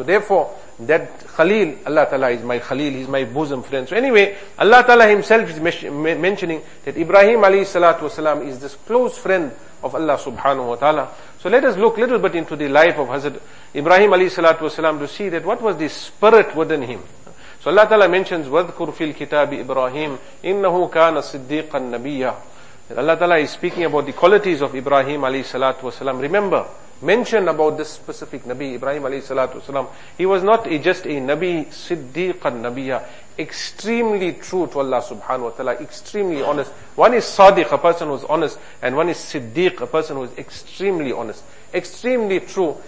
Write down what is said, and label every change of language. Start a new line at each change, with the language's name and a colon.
English: So therefore, that khalil, Allah ta'ala is my khalil, he's my bosom friend. So anyway, Allah ta'ala himself is mentioning that Ibrahim alayhi salatu wasalam is this close friend of Allah subhanahu wa ta'ala. So let us look little bit into the life of Hazrat Ibrahim alayhi salatu wasalam to see that what was the spirit within him. So Allah ta'ala mentions,
Arabic: وَذْكُرْ فِي الْكِتَابِ إِبْرَاهِيمِ إِنَّهُ كَانَ صِدِّيقًا نَبِيًّا.
English: Allah Ta'ala is speaking about the qualities of Ibrahim alayhi salatu wasalam. Remember, mention about this specific Nabi, Ibrahim alayhi salatu wasalam. He was not just a Nabi,
Arabic: Siddiqan Nabiya,
English: extremely true to Allah subhanahu wa ta'ala, extremely honest. One is Sadiq, a person who is honest, and one is Siddiq, a person who is extremely honest, extremely true.